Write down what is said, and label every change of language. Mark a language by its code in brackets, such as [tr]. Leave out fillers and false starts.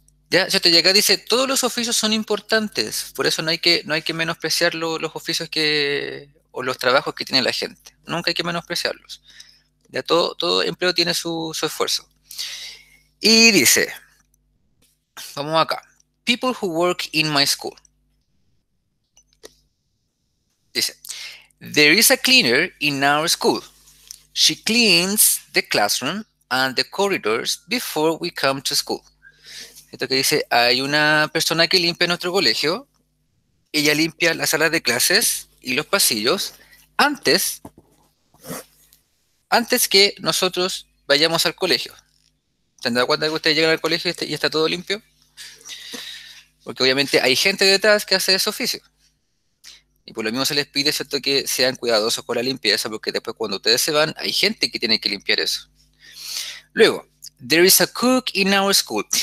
[es] Ya, si te llega, dice, todos los oficios son importantes, por eso no hay que menospreciar los oficios o los trabajos que tiene la gente. Nunca hay que menospreciarlos. Ya, todo empleo tiene su esfuerzo. Y dice, vamos acá, [en] people who work in my school. [es] Dice, [en] there is a cleaner in our school. She cleans the classroom and the corridors before we come to school. [es] Esto que dice, hay una persona que limpia nuestro colegio, ella limpia las salas de clases y los pasillos antes que nosotros vayamos al colegio. ¿Se han dado cuenta de que ustedes llegan al colegio y está todo limpio? Porque obviamente hay gente detrás que hace ese oficio. Y por lo mismo se les pide, ¿cierto?, que sean cuidadosos con la limpieza, porque después cuando ustedes se van, hay gente que tiene que limpiar eso. Luego, [en] there is a cook in our school.